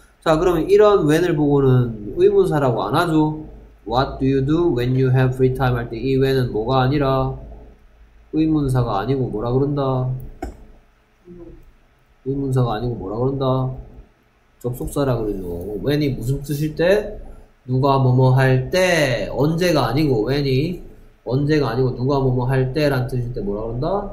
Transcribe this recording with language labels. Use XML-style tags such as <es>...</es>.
<ko>자, 그러면 이런 when을 보고는 의문사라고 안 하죠?</ko> <en>What do you do when you have free time?</en> <ko>할 때 이 when은 뭐가 아니라 의문사가 아니고 뭐라 그런다? 의문사가 아니고 뭐라 그런다? 접속사라 그러죠. when이 무슨 뜻일 때? 누가 뭐뭐 할 때, 언제가 아니고 when이 언제가 아니고 누가 뭐뭐 할 때란 뜻일 때 뭐라 그런다?</ko>